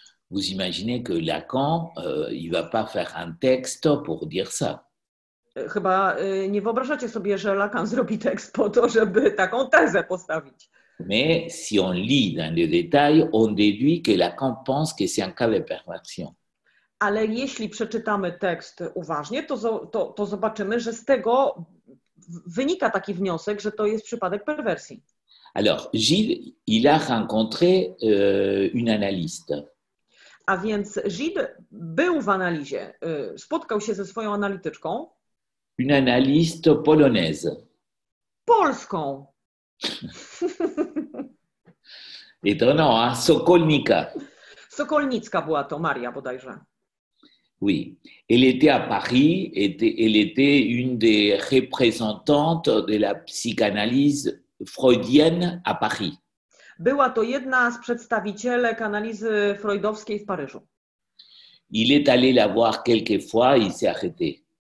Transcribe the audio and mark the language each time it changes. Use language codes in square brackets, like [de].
[fr] Vous imaginez que Lacan, il va pas faire un texte pour dire ça. [pl] Chyba nie wyobrażacie sobie, że Lacan zrobi tekst po to, żeby taką tezę postawić. [fr] Mais si on lit dans les détails, on déduit que Lacan pense que c'est un cas de perversion. [pl] Ale jeśli przeczytamy tekst uważnie, to zobaczymy, że z tego wynika taki wniosek, że to jest przypadek perwersji. [fr] Alors, Gide, il a rencontré une analyste. [pl] A więc Gide był w analizie, spotkał się ze swoją analityczką. [fr] Une analyste polonaise. [pl] Polską. [fr] Étonnant, hein? Sokolnica. [pl] Sokolnicka była to, Maria bodajże. [fr] Oui, elle était à Paris, elle était une des représentantes de la psychanalyse freudienne à Paris. [pl] Była to jedna z przedstawicielek analizy freudowskiej w Paryżu. [fr] Il est allé la voir quelques fois, il s'est arrêté.